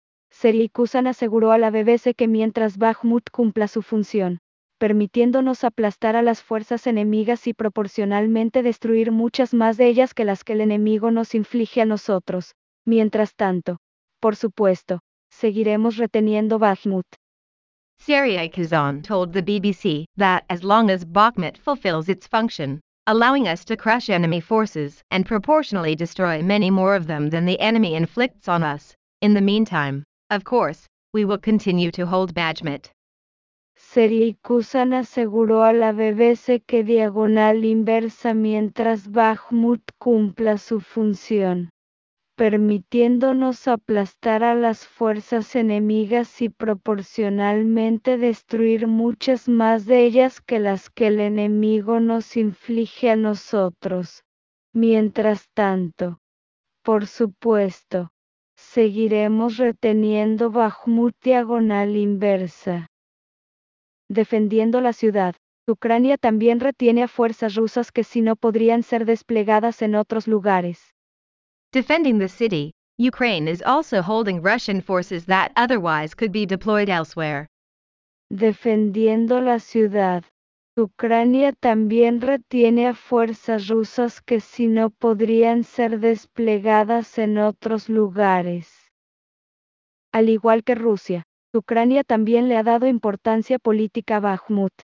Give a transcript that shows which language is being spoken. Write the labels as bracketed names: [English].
[Spanish] Serikusan aseguró a la BBC que mientras Bakhmut cumpla su función, permitiéndonos aplastar a las fuerzas enemigas y proporcionalmente destruir muchas más de ellas que las que el enemigo nos inflige a nosotros, mientras tanto, por supuesto, seguiremos reteniendo Bakhmut. [English] Serikusan told the BBC that as long as Bakhmut fulfills its function, allowing us to crush enemy forces and proportionally destroy many more of them than the enemy inflicts on us, in the meantime, of course, we will continue to hold Bakhmut. [Spanish] Serikusan aseguró a la BBC que diagonal inversa mientras Bakhmut cumpla su función, permitiéndonos aplastar a las fuerzas enemigas y proporcionalmente destruir muchas más de ellas que las que el enemigo nos inflige a nosotros. Mientras tanto, por supuesto, seguiremos reteniendo Bakhmut diagonal inversa. Defendiendo la ciudad, Ucrania también retiene a fuerzas rusas que si no podrían ser desplegadas en otros lugares. [English] Defending the city, Ukraine is also holding Russian forces that otherwise could be deployed elsewhere. [Spanish] Defendiendo la ciudad, Ucrania también retiene a fuerzas rusas que si no podrían ser desplegadas en otros lugares. Al igual que Rusia, Ucrania también le ha dado importancia política a Bakhmut.